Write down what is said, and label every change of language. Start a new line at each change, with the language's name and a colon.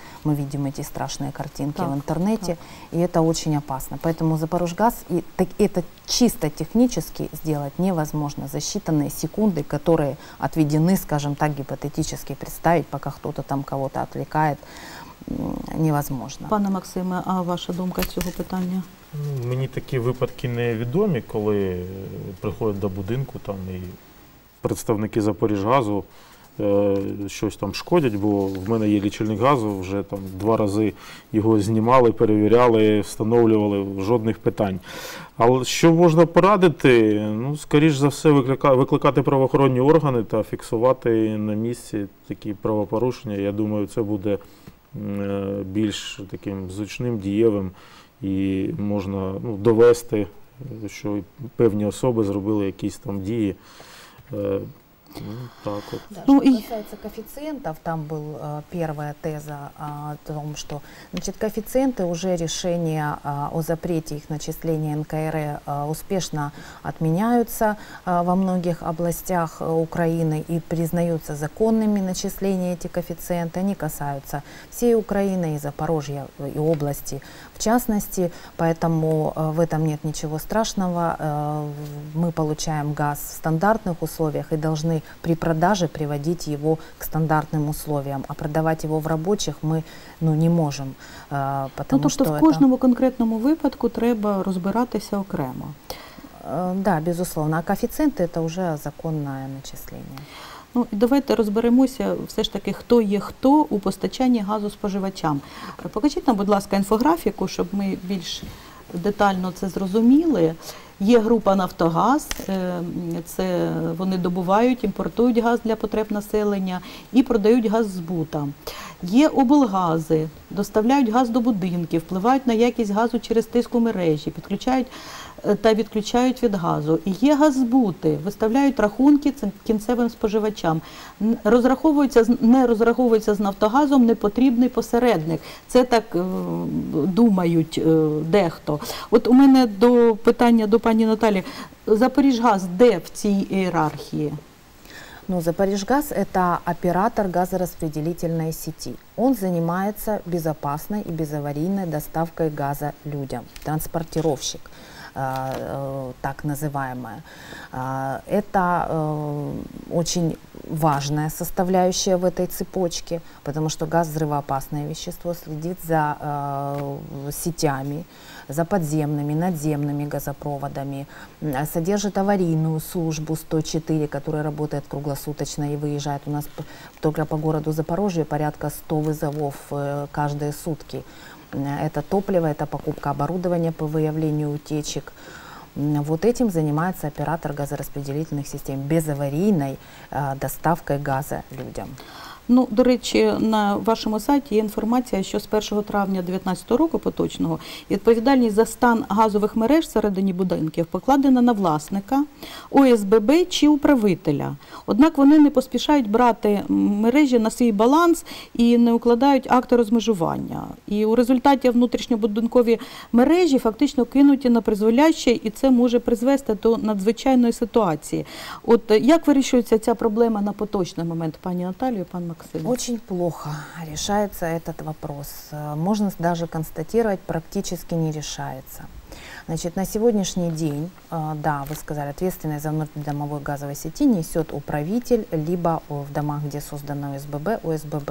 Russian: Мы видим эти страшные картинки в интернете. Так. И это очень опасно. Поэтому Запорожгаз, и так, это чисто технически сделать невозможно. За считанные секунды, которые отведены, скажем так, гипотетически представить, пока кто-то там кого-то отвлекает, невозможно.
Ukrainian: Пане Максиме, а ваша думка цього питання? Мені такі випадки не відомі, коли приходять до будинку там і представники Запоріжгазу щось там шкодять, бо в мене є лічильник газу, вже там два рази його знімали, перевіряли, встановлювали, жодних питань. Але що можна порадити? Ну, скоріш за все, викликати правоохоронні органи та фіксувати на місці такі правопорушення. Я думаю, це буде більш таким зручним, дієвим, і можна, ну, довести, що певні особи зробили якісь там дії.
Russian: Ну, так вот. Да, что касается коэффициентов, там была первая теза о том, что, значит, коэффициенты уже решения о запрете их начисления НКР успешно отменяются во многих областях Украины и признаются законными начисления эти коэффициенты. Они касаются всей Украины и Запорожья, и области в частности, поэтому в этом нет ничего страшного. Мы получаем газ в стандартных условиях и должны при продаже приводить его к стандартным условиям, а продавать его в рабочих мы, ну, не можем. Потому, ну, то, что в каждом конкретном случае
Ukrainian: треба розбиратися окремо.
Russian: Да, безусловно. А коэффициенты – это уже законное начисление.
Ukrainian: Ну, давайте розберемося все ж таки, хто є хто у постачанні газу споживачам. Покажіть нам, будь ласка, інфографіку, щоб ми більш детально це зрозуміли. Є група «Нафтогаз», це вони добувають, імпортують газ для потреб населення і продають газ збута. Є облгази, доставляють газ до будинків, впливають на якість газу через тиск у мережі, підключають та відключають від газу. І є газзбути, виставляють рахунки кінцевим споживачам. Розраховуються, не розраховуються з «Нафтогазом», не потрібний посередник. Це так думають дехто. От у мене до питання до пані Наталі. Запоріжгаз де в цій ієрархії?
Russian: Ну, Запоріжгаз – это оператор газорозподільної сети. Он занимается безопасной и безаварийной доставкой газа людям. Транспортировщик, так называемая. Это очень важная составляющая в этой цепочке, потому что газ – взрывоопасное вещество, следит за сетями, за подземными, надземными газопроводами, содержит аварийную службу 104, которая работает круглосуточно и выезжает. У нас только по городу Запорожье порядка 100 вызовов каждые сутки. Это топливо, это покупка оборудования по выявлению утечек. Вот этим занимается оператор газораспределительных систем, безаварийной доставкой газа людям.
Ukrainian: Ну, до речі, на вашому сайті є інформація, що з 1 травня 2019 року поточного відповідальність за стан газових мереж всередині будинків покладена на власника, ОСББ чи управителя. Однак вони не поспішають брати мережі на свій баланс і не укладають акти розмежування. І у результаті внутрішньобудинкові мережі фактично кинуті на призволяще, і це може призвести до надзвичайної ситуації. От як вирішується ця проблема на поточний момент, пані Наталію, пан Максим?
Russian: Очень плохо решается этот вопрос. Можно даже констатировать, практически не решается. Значит, на сегодняшний день, да, вы сказали, ответственность за внутридомовой газовой сети несет управитель, либо в домах, где создано ОСББ, ОСББ.